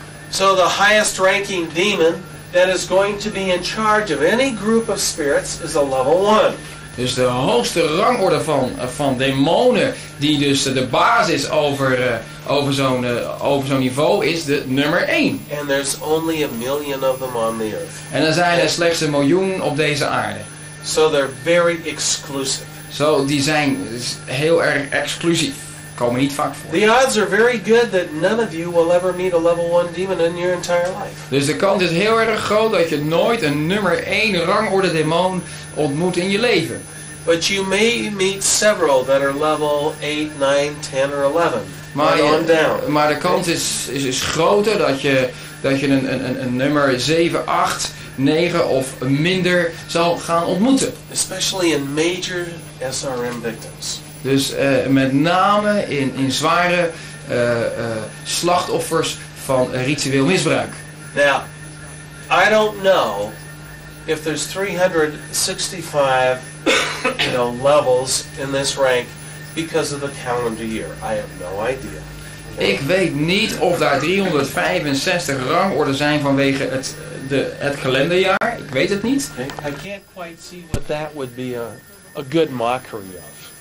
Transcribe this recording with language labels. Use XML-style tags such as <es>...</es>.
<en>So the highest ranking demon that is going to be in charge of any group of spirits is a level 1.</en> <nl>Dus de hoogste rangorde van demonen die dus de basis over zo'n niveau is de nummer 1.</nl> <en>And there's only a million of them on the earth.</en> <nl>En er zijn er slechts 1 miljoen op deze aarde.</nl> <en>So they're very exclusive.</en> <nl>Zo, die zijn heel erg exclusief. Komen niet vaak voor.</nl> <en>The odds are very good that none of you will ever meet a level 1 demon in your entire life.</en> <nl>Dus de kans is heel erg groot dat je nooit een nummer 1 rangorde demon ontmoet in je leven.</nl> <en>But you may meet several that are level 8, 9, 10 or 11.</en> <nl>Maar de kans is groter dat je een nummer 7, 8, 9 of minder zal gaan ontmoeten.</nl> <en>Especially in major SRM victims.</en> <nl>Dus met name in zware slachtoffers van ritueel misbruik.</nl> <en>Now, I don't know if there's 365 levels in this rank because of the calendar year. I have no idea.</en> <nl>Ik weet niet of daar 365 rangorden zijn vanwege het kalenderjaar. Ik weet het niet.</nl> <en>I can't quite see what that would be a good mockery of.</en>